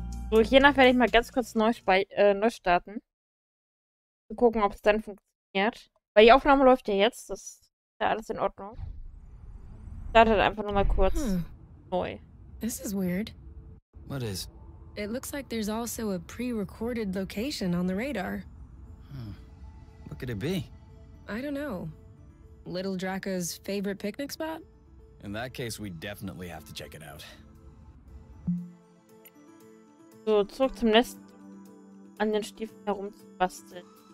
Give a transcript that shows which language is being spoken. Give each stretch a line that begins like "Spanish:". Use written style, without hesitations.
German: So, hiernach werde ich mal ganz kurz neu starten. Mal gucken, ob es dann funktioniert. Weil die Aufnahme läuft ja jetzt, das ist ja alles in Ordnung. Startet einfach nochmal kurz neu.
English: This is weird. What is? It looks like there's also a pre-recorded location on the radar. Hmm. What could it be? I don't know. Little Draka's favorite picnic spot? In that case, we definitely have to check it out.
German: So, zurück zum Nest, an den Stiefeln herumzubasteln.